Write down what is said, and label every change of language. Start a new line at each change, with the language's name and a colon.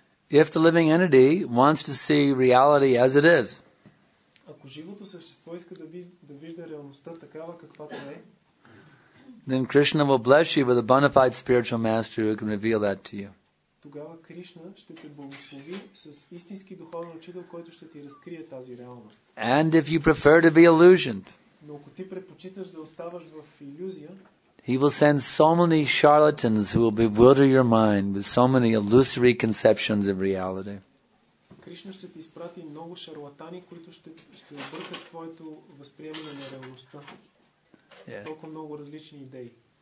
English: If the living entity wants to see reality as it is,
Bulgarian: ако живото същество иска да вижда реалността такава каквато е,
English: then Krishna will bless you with a bona fide spiritual master who can reveal that to you.
Bulgarian: Тогава Кришна ще те благослови с истински духовен учител, който ще ти разкрие тази реалност.
English: And if you prefer to be illusioned,
Bulgarian: но ако ти предпочиташ да оставаш в илюзия,
English: He will send so many charlatans who will bewilder your mind with so many illusory conceptions of reality.
Bulgarian: Кришна ще ти изпрати много шарлатани, които ще объркат твоето възприемане на реалността.
English: Yeah.
Bulgarian: Толкова много различни идеи.